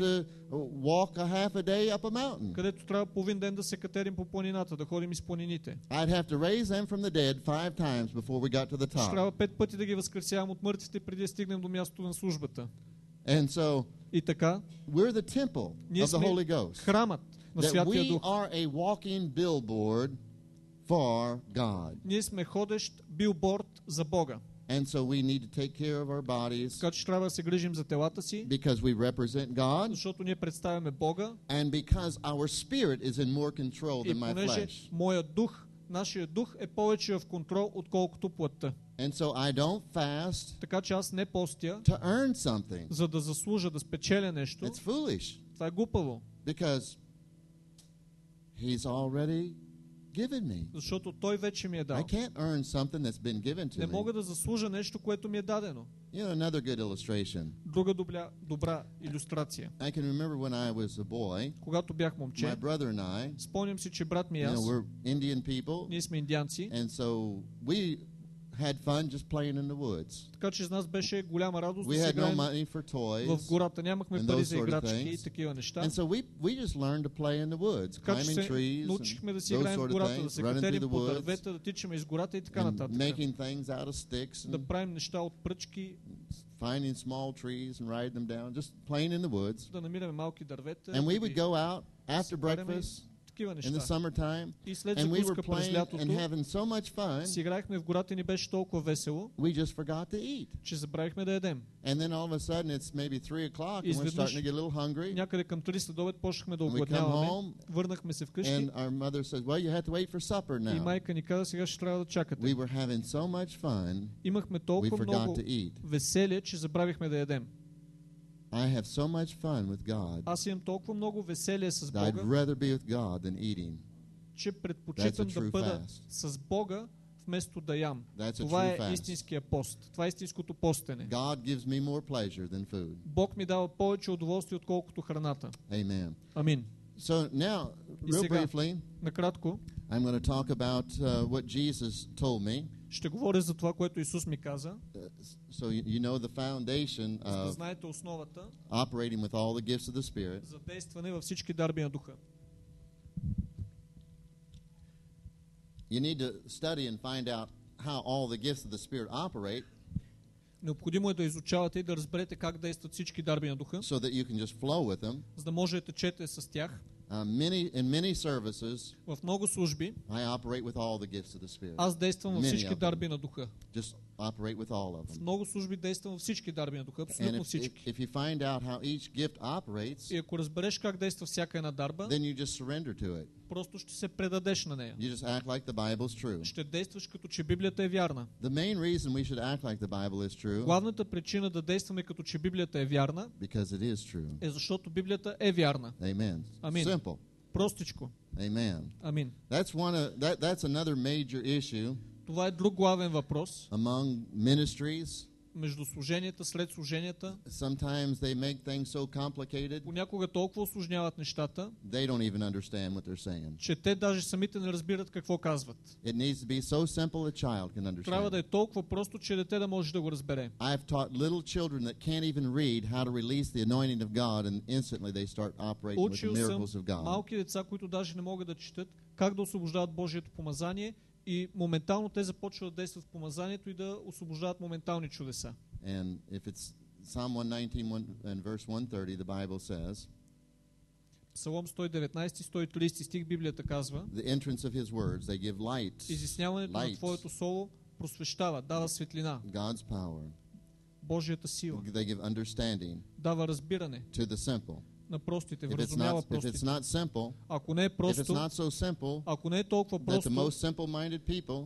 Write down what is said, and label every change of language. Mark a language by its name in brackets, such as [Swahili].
[English] we have to walk a half a day up a mountain. [Bulgarian] Където трябва половин ден да се катерим по планината, да ходим из планините. [English] I'd have to raise them from the dead 5 times before we got to the top. [Bulgarian] Трябва 5 пъти да ги възкресявам от мъртвите преди да стигнем до мястото на службата. [English] And so, [Bulgarian] и така, [English] we're the temple of the Holy Ghost. [Bulgarian] Храмът на Святия Дух. [English] We are a walking billboard for God. [Bulgarian] Ние сме ходещ билборд за Бога. [English] And so we need to take care of our bodies. [Bulgarian] Така че трябва да се грижим за телата си. [English] Because we represent God. [Bulgarian] Защото ние представяме Бога. [English] And because our spirit is in more control than my flesh. [Bulgarian] И понеже моят дух, нашият дух е повече в контрол отколкото плътта. [English] And so I don't fast. [Bulgarian] Така че аз не постя. [English] To earn something. [Bulgarian] За да заслужа, да спечеля нещо. [English] It's foolish. [Bulgarian] Това е глупаво. [English] Because he's already given me. [Bulgarian] Защото той вече ми е дал. [English] I can't earn something that's been given to me. [Bulgarian] Не мога да заслужа нещо, което ми е дадено. [English] You know, another good illustration. [Bulgarian] Друга добра илюстрация. [English] I can remember when I was a boy. [Bulgarian] Когато бях момче. [English] My brother and I. [Bulgarian] Спомням си, че брат ми и аз. [English] You know, we're Indian people. [Bulgarian] Ние сме индианци. [English] And so we had fun just playing in the woods. [Bulgarian] Така че с нас беше голяма радост. [English] We had no money for toys. [Bulgarian] В гората нямахме пари за играчки и такива неща. [English] And so we just learned to play in the woods, climbing trees. [Bulgarian] Научихме да си играем в гората, да се катерим по дървета, да тичаме из гората и така нататък. [English] Making things out of sticks and [Bulgarian] да правим неща от пръчки. [English] Finding small trees and riding them down, just playing in the woods. [Bulgarian] Да намираме малки дървета. [English] And we would go out after breakfast. In the summertime, and we were playing and having so much fun. [Bulgarian] Си играхме в гората и ни беше толкова весело. [English] We just forgot to eat. [Bulgarian] Че забравихме да ядем. [English] And then all of a sudden it's maybe 3 o'clock and we're starting to get a little hungry. [Bulgarian] Някъде към 3 след обед почнахме да огладняваме. Върнахме се вкъщи. [English] And our mother says, "Well, you have to wait for supper now." [Bulgarian] И майка ни каза, сега ще трябва да чакате. [English] We were having so much fun. [Bulgarian] Имахме толкова много веселие, че забравихме да ядем. [English] I have so much fun with God. [Bulgarian] Аз имам толкова много веселие с Бога. [English] I'd rather be with God than eating. [Bulgarian] Че предпочитам да бъда с Бога вместо да ям. Това е истинския пост. Това е истинското постене. [English] God gives me more pleasure than food. [Bulgarian] Бог ми дава повече удоволствие отколкото храната. [English] Amen. [Bulgarian] Амин. [English] So now, real briefly, [Bulgarian] накратко, [English] I'm going to talk about what Jesus told me. [Bulgarian] Ще говоря за това, което Исус ми каза. [English] So you know the foundation of [Bulgarian] знаете основата [English] operating with all the gifts of the Spirit. [Bulgarian] За действане във всички дарби на духа. [English] You need to study and find out how all the gifts of the Spirit operate. [Bulgarian] Необходимо е да изучавате и да разберете как действат всички дарби на духа. [English] So that you can just flow with them. [Bulgarian] За да можете да течете с тях. [English] In many services, [Bulgarian] в много служби, [English] I operate with all the gifts of the Spirit. [Bulgarian] Аз действам във всички дарби на духа. [English] Just operate with all of them. [Bulgarian] В много служби действам във всички дарби на духа, абсолютно всички. [English] If you find out how each gift operates, [Bulgarian] и ако разбереш как действа всяка една дарба, [English] then you just surrender to it. [Bulgarian] Просто ще се предадеш на нея. [English] You just act like the Bible's true. [Bulgarian] Ще действаш като че Библията е вярна. [English] The main reason we should act like the Bible is true. [Bulgarian] Главната причина да действаме като че Библията е вярна, [English] because it is true. [Bulgarian] Е защото Библията е вярна. [English] Amen. [Bulgarian] Амин. [English] Simple. [Bulgarian] Простичко. [English] Amen. [Bulgarian] Амин. [English] That's another major issue. [Bulgarian] Това е друг главен въпрос. [English] Among ministries. [Bulgarian] Между служенията, след служенията. [English] Sometimes they make things so complicated. [Bulgarian] Понякога толкова усложняват нещата. [English] They don't even understand what they're saying. [Bulgarian] Че те даже самите не разбират какво казват. [English] It needs to be so simple a child can understand. [Bulgarian] Трябва да е толкова просто, че дете да може да го разбере. [English] I've taught little children that can't even read how to release the anointing of God and instantly they start operating with the miracles of God. [Bulgarian] Малки деца, които даже не могат да четат, как да освобождават Божието помазание. И моментално те започват да действат в помазанието и да освобождават моментални чудеса. [English] And if it's Psalm 119 and verse 130, the Bible says, [Bulgarian] Псалом 119-130 стих Библията казва, [English] the entrance of his words, they give light. [Bulgarian] Изясняването на твоето слово просвещава, дава светлина. [English] God's power. [Bulgarian] Божията сила. [English] They give understanding. [Bulgarian] Дава разбиране. [English] To the simple. [Bulgarian] На простите, вразумява простите. [English] If it's not simple, [Bulgarian] ако не е просто, [English] if it's not so simple, [Bulgarian] ако не е толкова просто, [English] that the most simple-minded people,